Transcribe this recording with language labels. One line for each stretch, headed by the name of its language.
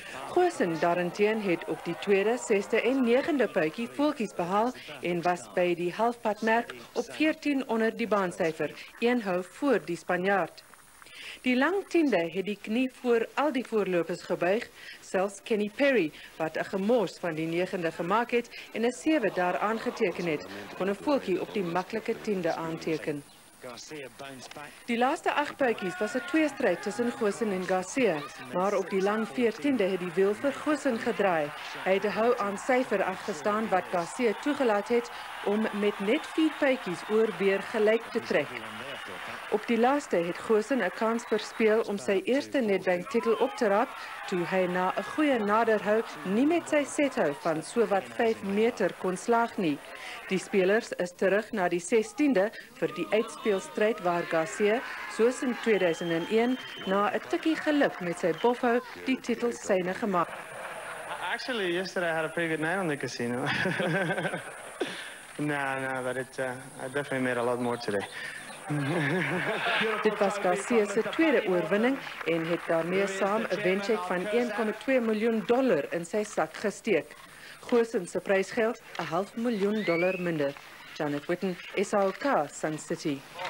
Afrikaans: Goosen daarenteen het op die tweede, sesde en negende puitjie voetjies behaal en was by die halfpadmerk op 14 onder die baansyfer, een hou voor die Spanjaard. Die lang tiende het die knie voor al die voorlopers gebuig, selfs Kenny Perry, wat 'n gemors van die negende gemaak het en 'n sewe daar aangeteken het, kon 'n voetjie op die maklike tiende aanteken. Die laaste 8 puitjies was 'n tweestryd tussen Goosen en Garcia, maar op die lang 14de het die wiel vir Goosen gedraai. Hy het 'n hou aan syfer afgestaan wat Garcia toegelaat het om met net 4 puitjies oor weer gelyk te trek. Op die laaste het Goosen 'n kans verspeel om sy eerste netbank titel op te raap, toe hy na 'n goeie naderhou nie met sy sethou van sowat 5 meter kon slaag nie. Die spelers is terug na die 16de vir die uitspeelstryd waar Garcia, soos in 2001, na 'n tikkie geluk met sy bofhou die titel syne gemaak.
English: Actually, yesterday I had a pretty good night on the casino. No, but I definitely made a lot more today.
Afrikaans: Dit was Garcia se tweede oorwinning en het daarmee saam 'n wencheck van $1.2 miljoen in sy sak gesteek. Goosen se prysgeld, $500,000 minder. Janet Witten, SAK, Sun City.